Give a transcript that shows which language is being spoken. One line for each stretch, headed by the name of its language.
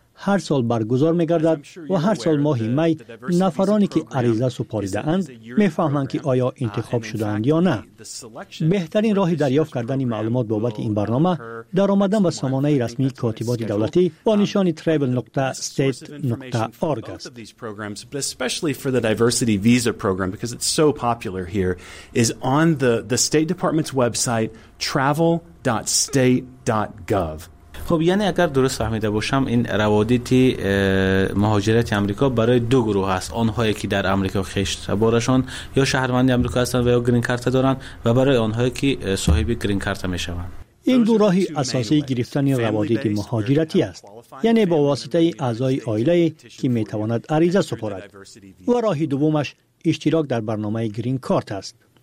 Persian: هر سال برگزار می‌گردد و هر سال ماه می نفرانی که عریضه سپاریده اند می‌فهمند که آیا انتخاب شده اند یا نه. بهترین راه دریافت کردن معلومات بابت این برنامه در آمدن به سامانه رسمی کاتبات دولتی با نشان travel.state.org است.
English: But especially for the diversity visa program because it's so popular here is on the State Department's website travel.state.gov.
Persian: خب یعنی اگر درست فهمیده باشم این روابط مهاجرت آمریکا برای دو گروه است، آنهایی که در آمریکا خشت بارشان یا شهروند آمریکا هستند و یا گرین کارت دارند و برای آنهایی که صاحب گرین کارت میشوند. این دو راه اساسی گرفتن روابط مهاجرتی است، یعنی با واسطه اعضای آیله که میتواند عریضه سپارد، و راه دومش اشتراک در برنامه گرین کارت است.